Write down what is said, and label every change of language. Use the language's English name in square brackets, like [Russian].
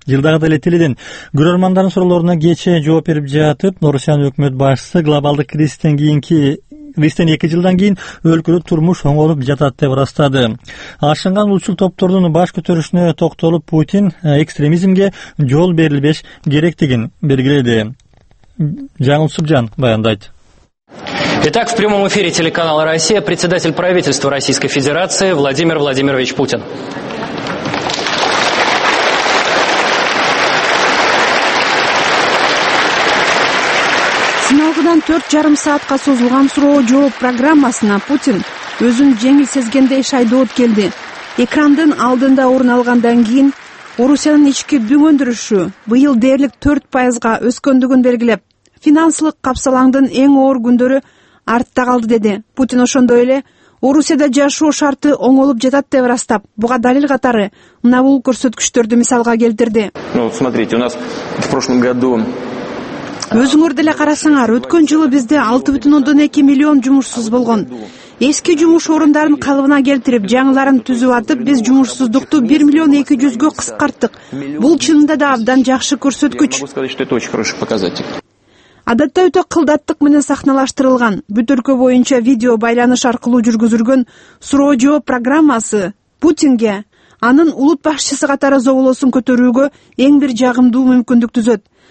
[Kyrgyz] Жылдагы эле тилден көрөрмандардын суроолоруна кечээ жооп берип жатып, Орусиянын өкмөт башчысы глобалдык кризистен кийинки Кристиан 2 жылдан кийин өлкөдө турмуш оңолуп жатат деп ырастады. Ашынган улутчул топтордун баш көтөрүшүнө токтолуп, Путин экстремизмге жол берилбеш керектигин белгиледи. Жаңыл Субжан баяндайт. [Russian] Итак, в прямом эфире телеканала «Россия» председатель правительства Российской Федерации Владимир Владимирович Путин. [Kyrgyz] Сыналгыдан 4,5 саатка созулган суроо-жооп программасына Путин өзүн жеңил сезгендей шайдоот келди. Экрандын алдында орун алгандан кийин Орусиянын ички дүмөндүрүшү быйыл дээрлик 4% өскөндүгүн белгилеп, финансылык капсалаңдын эң оор күндөрү артта калды деди. Путин ошондой эле Орусияда жашоо шарты оңолуп жатат деп ырастап, буга далил катары мына бул көрсөткүчтөрдү мисалга келтирди. [Russian] Ну, смотрите, у нас в прошлом году [Kyrgyz] Өзүңөр деле карасаңар, өткөн жылы бизде 6,2 миллион жумушсуз болгон. Эски жумуш орундарын калыбына келтирип, жаңыларын түзүп атып, биз жумушсуздукту 1,2 миллионго кыскарттык. Бул чынында да абдан жакшы көрсөткүч. Адатта өтө кылдаттык менен сахналаштырылган, бүт өлкө боюнча видео байланыш аркылуу жүргүзүлгөн суроо-жооп программасы Путинге анын улут башчысы катары зоолосун көтөрүүгө эң бир жагымдуу мүмкүндүк түзөт.